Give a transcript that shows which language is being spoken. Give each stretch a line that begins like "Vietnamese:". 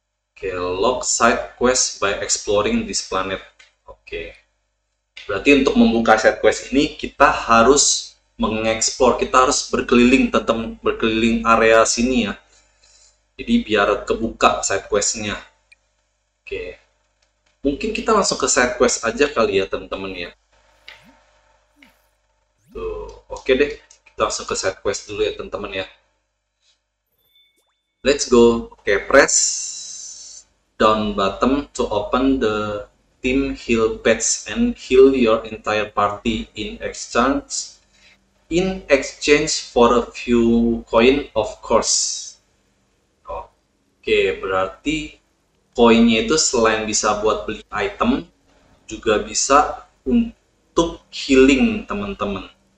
English: Oke, log side quest by exploring this planet. Oke.
Indonesian: Berarti untuk membuka side quest ini, kita harus mengeksplor. Kita harus berkeliling, teman-teman. Berkeliling area sini ya. Jadi biar kebuka side quest-nya. Oke. Mungkin kita langsung ke side quest aja kali ya, teman-teman ya. Tuh, oke deh. Kita langsung ke side quest dulu ya, teman-teman ya.
English: Let's go. Oke, press down button to open the team heal pads and heal your entire party in exchange for a few coin, of course.
Indonesian: Oke, berarti koinnya itu selain bisa buat beli item, juga bisa untuk healing teman-teman.